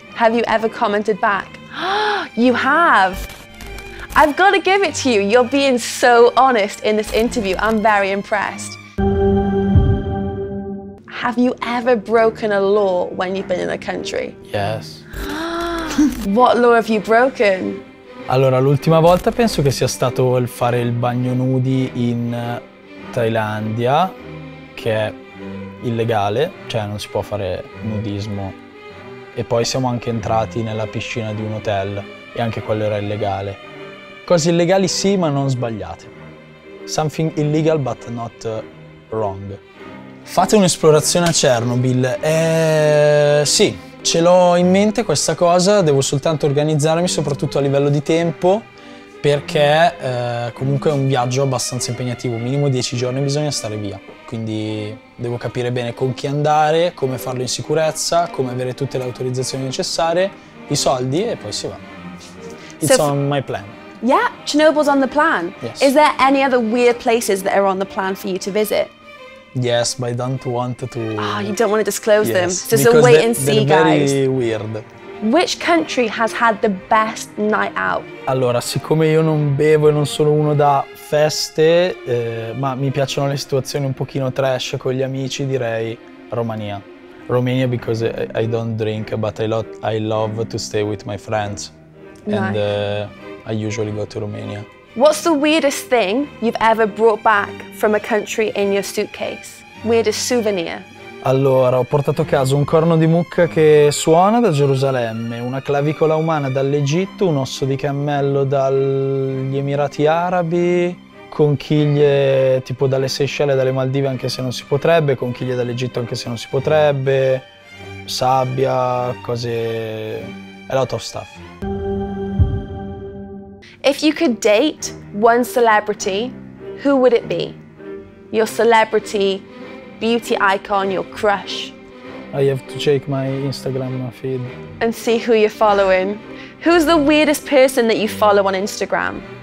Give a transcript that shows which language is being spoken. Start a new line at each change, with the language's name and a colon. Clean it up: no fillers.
English: Have you ever commented back? You have. I've got to give it to you. You're being so honest in this interview. I'm very impressed. Have you ever broken a law when you've been in a country? Yes. What law have you broken?
Italian: Allora, l'ultima volta penso che sia stato il fare il bagno nudi in Thailandia, che è illegale, cioè non si può fare nudismo. E poi siamo anche entrati nella piscina di un hotel e anche quello era illegale. Cose illegali sì, ma non sbagliate.
English: Something illegal but not wrong.
Italian: Fate un'esplorazione a Chernobyl. Sì, ce l'ho in mente questa cosa, devo soltanto organizzarmi, soprattutto a livello di tempo, perché comunque è un viaggio abbastanza impegnativo, minimo 10 giorni bisogna stare via. Quindi devo capire bene con chi andare, come farlo in sicurezza, come avere tutte le autorizzazioni necessarie, i soldi e poi si va.
English: It's so on my plan. Yeah, Chernobyl's on the plan. Yes. Is there any other weird places that are on the plan for you to visit? Yes, but I don't want to... You don't want to disclose yes. them. So it's a wait and see, they're guys. Very weird. Which country has had the best night out?
Italian: Allora, siccome io non bevo e non sono uno da feste, ma mi piacciono le situazioni un pochino trash con gli amici, direi Romania.
English: Romania because I don't drink, but I love to stay with my friends. Nice. And I usually go to Romania. What's the weirdest thing you've ever brought back from a country in your suitcase? Weirdest souvenir?
Italian: Allora, ho portato a casa un corno di mucca che suona da Gerusalemme, una clavicola umana dall'Egitto, un osso di cammello dagli Emirati Arabi, conchiglie tipo dalle Seychelles e dalle Maldive anche se non si potrebbe, conchiglie dall'Egitto anche se non si potrebbe, sabbia, cose...
English: a lot of stuff. If you could date one celebrity, who would it be? Your celebrity, beauty icon, your crush. I have to check my Instagram feed. And see who you're following. Who's the weirdest person that you follow on Instagram?